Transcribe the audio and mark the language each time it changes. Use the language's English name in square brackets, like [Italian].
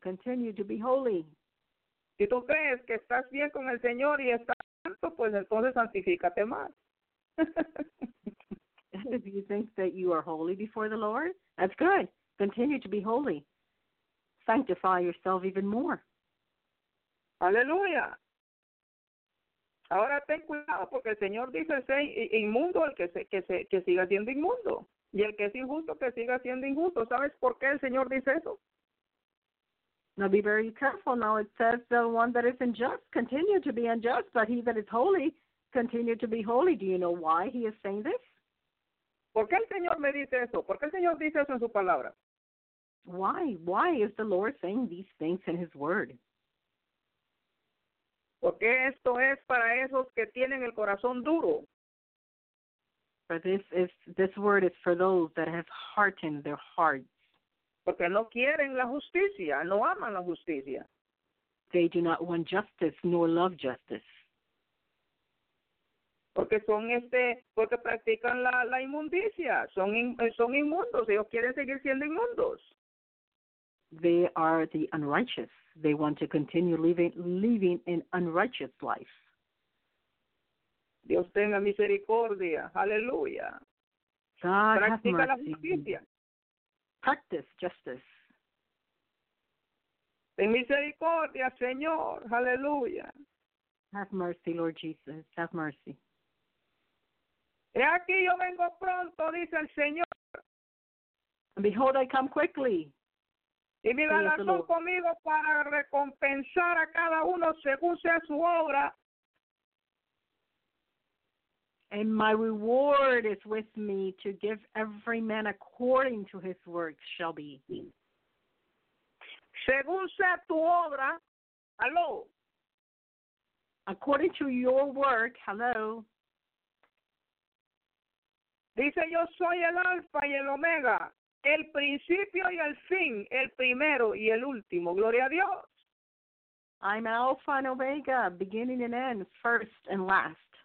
[English] Continue to be holy. [Spanish] Si tú crees que estás bien con el Señor y estás santo, pues entonces santifícate más. [English] If you think that you are holy before the Lord, that's good. Continue to be holy. Sanctify yourself even more. [Spanish] Aleluya. Ahora ten cuidado porque el Señor dice sea inmundo el que siga siendo inmundo y el que es injusto que siga siendo injusto. ¿Sabes por qué el Señor dice eso? [English] Now be very careful. Now it says the one that is unjust continue to be unjust, but he that is holy continue to be holy. Do you know why he is saying this? [Spanish] ¿Por qué el Señor me dice eso? ¿Por qué el Señor dice eso en su palabra? [English] Why? Why is the Lord saying these things in his word? [Spanish] Porque esto es para esos que tienen el corazón duro. [English] For this word is for those that have hardened their hearts. [Spanish] Porque no quieren la justicia, no aman la justicia. [English] They do not want justice nor love justice. [Spanish] Porque son porque practican la inmundicia, son inmundos, ellos quieren seguir siendo inmundos. [English] They are the unrighteous. They want to continue living an unrighteous life. [Spanish] Dios tenga misericordia. Aleluya. [English] God [Spanish] practica [English] have mercy. [Spanish] La justicia. [English] Practice justice. [Spanish] Ten misericordia, Señor. Aleluya. [English] Have mercy, Lord Jesus. Have mercy. [Spanish] He aquí yo vengo pronto, dice el Señor. [English] And behold, I come quickly. [Spanish] Y mi galardón conmigo para recompensar a cada uno según sea su obra. [English] And my reward is with me to give every man according to his works shall be. [Spanish] Según sea tu obra. [English] Hello. According to your work. Hello. [Spanish] Dice yo soy el Alfa y el Omega. el principio y el fin, el primero y el último. Gloria a Dios. [English] I'm Alpha and Omega, beginning and end, first and last.